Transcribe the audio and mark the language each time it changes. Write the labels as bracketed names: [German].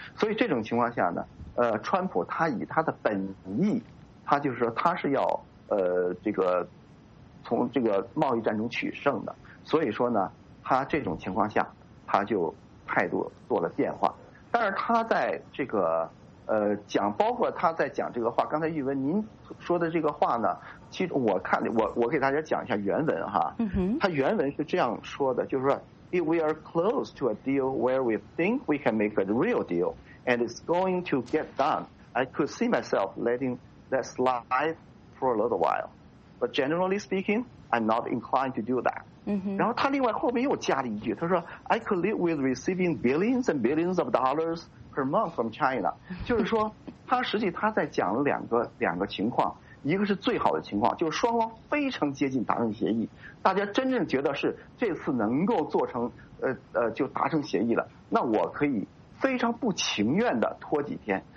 [Chinese] 所以这种情况下呢，川普他以他的本意，他就是说他是要这个从这个贸易战中取胜的，所以说呢，他这种情况下他就态度做了变化。但是他在这个讲，包括他在讲这个话，刚才玉文您说的这个话呢，其实我看我给大家讲一下原文哈。嗯哼，他原文是这样说的，就是说 [English] If we are close to a deal where we think we can make a real deal and it's going to get done, I could see myself letting that slide for a little while, but generally speaking, I'm not inclined to do that. 嗯哼， [Chinese] 然后他另外后面又加了一句，他说 [English] I could live with receiving billions and billions of dollars. per month from China， [Chinese] 就是说他实际他在讲了两个情况，一个是最好的情况，就是双方非常接近达成协议，大家真正觉得是这次能够做成就达成协议了，那我可以非常不情愿的拖几天。